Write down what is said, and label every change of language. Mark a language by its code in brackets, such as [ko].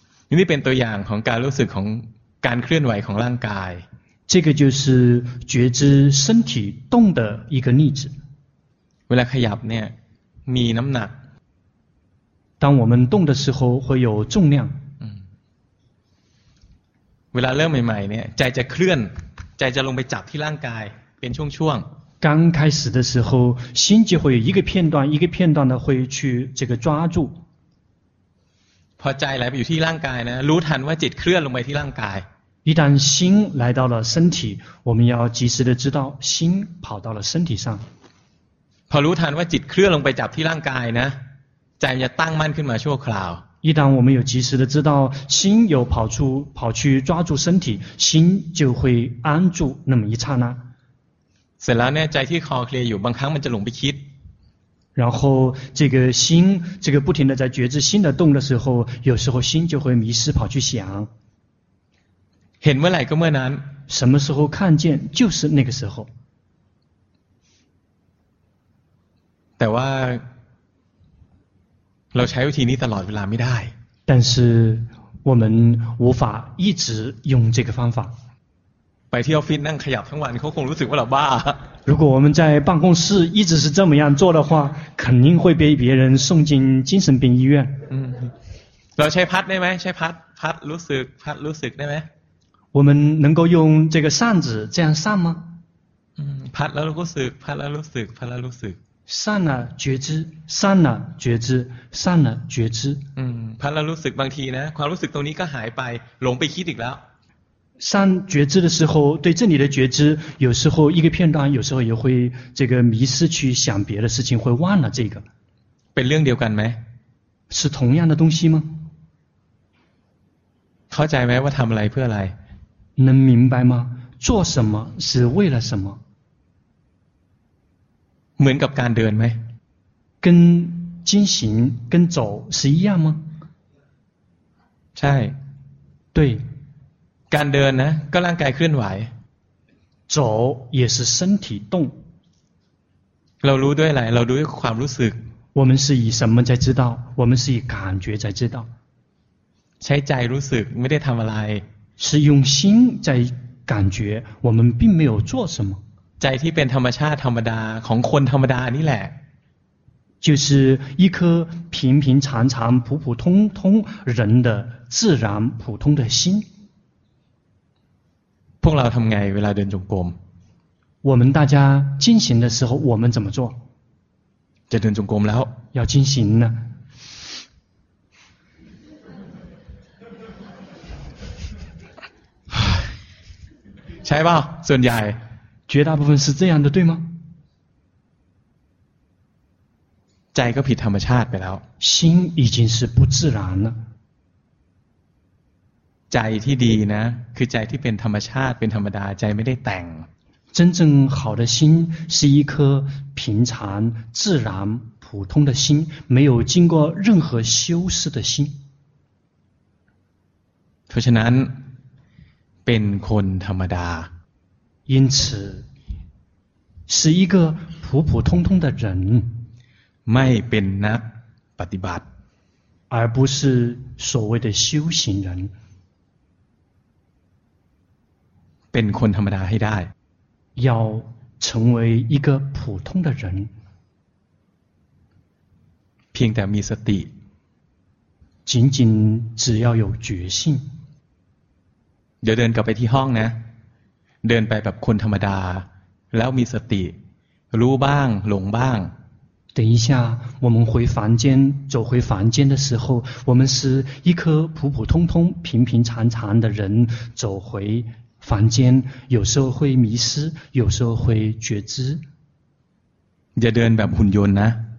[th] นี่เป็นตัวอย่างของการรู้สึกของการเคลื่อนไหวของร่างกาย [zh] 这个就是觉知身体动的一个例子 [th] เวลาขยับเนี่ยมีน้ำหนัก [zh] 当我们动的时候会有重量 [th] เวลาเริ่มใหม่ๆเนี่ยใจจะเคลื่อนใจจะลงไปจับที่ร่างกายเป็นช่วง [zh] ๆ刚开始的时候心就会一个片段一个片段的会去这个抓住 [th] พอใจไหลไปอยู่ที่ร่างกายนะรู้ทันว่าจิตเคลื่อนลงไปที่ร่างกาย [zh] 一旦心来到了身体我们要及时的知道心跑到了身体上 [th] พอรู้ทันว่าจิตเคลื่อนลงไปจับที่ร่างกายนะใจจะตั้งมั่นขึ้นมาชั่วคราว [zh] 一旦我们有及时的知道心有跑去抓住身体心就会安住那么一刹那 [th] เสร็จแล้วเนี่ยใจที่คลอเคลียอยู่บางครั้งมันจะหลงไปคิด [zh] 然后这个心这个不停的在觉知心的动的时候有时候心就会迷失跑去想 [th] เห็นเมื่อไหร่ก็เมื่อนั้น [zh] 什么时候看见就是那个时候 [th] แต่ว่าเราใช้วิธีนี้ตลอดเวลาไม่ได้ [zh] 但是我们无法一直用这个方法 [th] ไปที่ออฟฟิศนั่งขยับทั้งวันเขาคงรู้สึกว่าเราบ้า [zh] 如果我们在办公室一直是这么样做的话肯定会被别人送进精神病医院 [th] เราใช้พัดได้ไหมใช้พัดรู้สึกพัดรู้สึกได้ไหม [zh] 我们能够用这个扇子这样扇吗 [th] พัดแล้วรู้สึกพัดแล้วรู้สึกพัดแล้วรู้สึก [zh] 扇了觉知扇了觉知扇了觉知 [th] พัดแล้วรู้สึกบางทีนะความรู้สึกตรงนี้ก็หายไปหลงไปคิดอีกแล้ว [zh] 善觉知的时候对这里的觉知有时候一个片段有时候也会这个迷失去想别的事情会忘了这个 [th] เป็นเรื่องเดียวกันไหม [zh] 是同样的东西吗 [th] เข้าใจไหมว่าทำอะไรเพื่ออะไร [zh] 能明白吗做什么是为了什么 [th] เหมือนกับการเดินไหม [zh] 跟进行跟走是一样吗 [th] ใช่ [zh] 对 [th] การเดินนะก็ร่างกายเคลื่อนไหว [zh] 走也是身体动 [th] เรารู้ด้วยอะไรเรารู้ด้วยความรู้สึก [zh] 我们是以什么在知道我们是以感觉在知道 [th] ใช้ใจรู้สึกไม่ได้ทำอะไร [zh] 是用心在感觉我们并没有做什么 [th] ใจที่เป็นธรรมชาติธรรมดาของคนธรรมดานี่แหละ [zh] 就是一颗平平常常普普通通人的自然普通的心 [th] พวกเราทำไงเวลาเดินจงกรม [zh] 我们大家进行的时候我们怎么做 [th] จะเดินจงกรมแล้ว [zh] 要进行呢 [th] ใช่ป่าวส่วนใหญ่ [zh] 绝大部分是这样的对吗 [th] ใจก็ผิดธรรมชาติไปแล้ว [zh] 心已经是不自然了 [th] ใจที่ดีนะคือใจที่เป็นธรรมชาติเป็นธรรมดาใจไม่ได้แต่ง [zh] 真正好的心是一颗平常自然普通的心没有经过任何修饰的心 [th] เพราะฉะนั้นเป็นคนธรรมดา [zh] 因此是一个普普通通的人 [th] ไม่เป็นนักปฏิบัติ [zh] 而不是所谓的修行人 [th] เป็นคนธรรมดาให้ได้ [zh] 要成为一个普通的人 [th] เพียงแต่มีสติ [zh] 仅仅只要有决心 [th] เดี๋ยวเดินกลับไปที่ห้องนะเดินไปแบบคนธรรมดาแล้วมีสติรู้บ้างหลงบ้าง [zh] 等一下我们回房间走回房间的时候我们是一颗普普通通平平常常的人走回房间有时候会迷失有时候会觉知 [th] จะเดินแบบหุ่นยนต์นะ